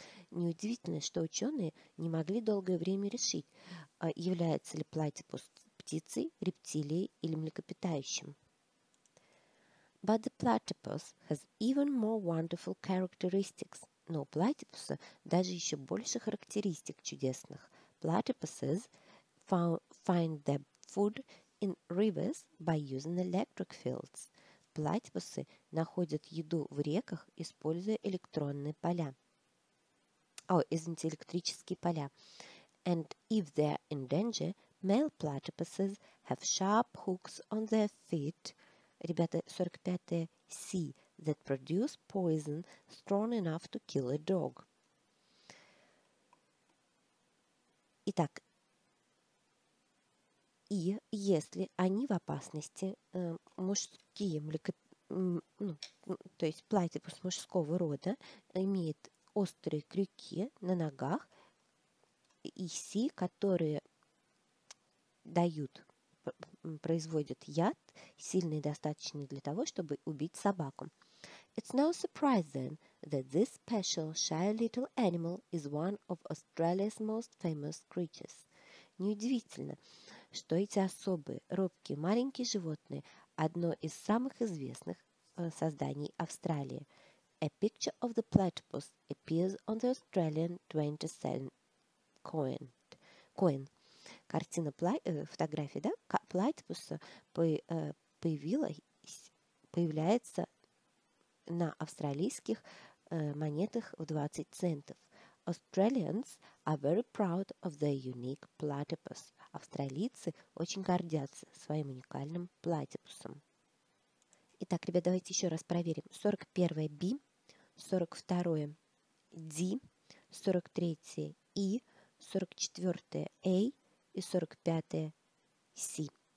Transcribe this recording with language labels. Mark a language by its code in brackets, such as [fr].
[ru] Неудивительно, что ученые не могли долгое время решить, является ли платипус птицей, рептилией или млекопитающим. [en] But the platypus has even more wonderful characteristics. [ru] Но у платипуса даже еще больше характеристик чудесных. [en] Platypuses find their food in rivers by using electric fields. [ru] Платипусы находят еду в реках, используя электронные поля. Электрические поля. [en] And if they're in danger, Male platypuses have sharp hooks on their feet. [ru] Ребята, 45-е. [en] C. That produce poison strong enough to kill a dog. [ru] Итак, и если они в опасности, мужские млекопитающие, то есть платипус мужского рода, имеет острые крюки на ногах и си, которые дают, производят яд, сильный достаточно для того, чтобы убить собаку. [en] It's no surprise then that this special shy little animal is one of Australia's most famous creatures. [ru] Неудивительно, что эти особые, робкие, маленькие животные одно из самых известных созданий Австралии. [en] A picture of the platypus appears on the Australian 20-cent coin. [ru] Картина, фотография, да, платипуса появляется на австралийских монетах в 20 центов. [en] Australians are very proud of their unique platypus. [ru] Австралийцы очень гордятся своим уникальным платипусом. Итак, ребят, давайте еще раз проверим. 41-е B, 42-е D, 43-е E, 44-е A и 45-е C.